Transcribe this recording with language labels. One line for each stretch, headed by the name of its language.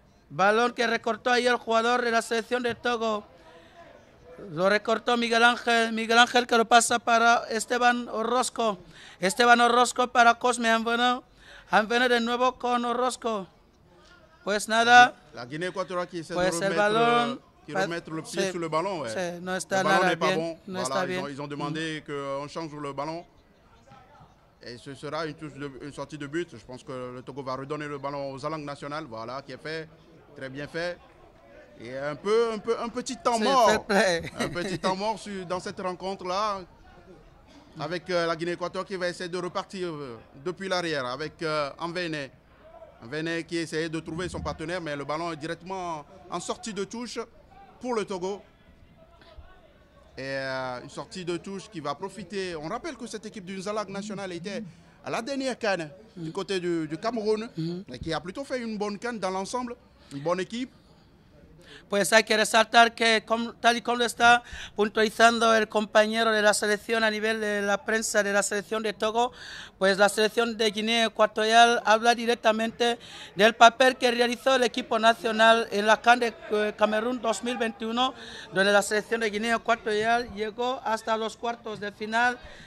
Spanish: Balón que recortó ahí el jugador de la selección de Togo. Lo recortó Miguel Ángel que lo pasa para Esteban Orozco. Esteban Orozco para Cosme Anveno. Anveno de nuevo con Orozco. Pues nada.
French: La Guinée Ecuatorial qui essaie pues de remettre, ballon, qui remettre le pied sur le ballon. Ouais.
Spanish: No está
French: le ballon n'est pas bien, bon. No voilà, ils ont demandé qu'on change le ballon. Et ce sera une sortie de but. Je pense que le Togo va redonner le ballon aux Alangues nationales. Voilà, qui est fait. Très bien fait. Et un petit temps mort dans cette rencontre-là avec la Guinée équatoriale qui va essayer de repartir depuis l'arrière avec Anvene. Anvene qui essayait de trouver son partenaire, mais le ballon est directement en sortie de touche pour le Togo. Et une sortie de touche qui va profiter. On rappelle que cette équipe du Zalag national était à la dernière CAN du côté du Cameroun et qui a plutôt fait une bonne CAN dans l'ensemble, une bonne équipe.
Spanish: Pues hay que resaltar que tal y como lo está puntualizando el compañero de la selección a nivel de la prensa de la selección de Togo, pues la selección de Guinea Ecuatorial habla directamente del papel que realizó el equipo nacional en la CAN de Camerún 2021, donde la selección de Guinea Ecuatorial llegó hasta los cuartos de final.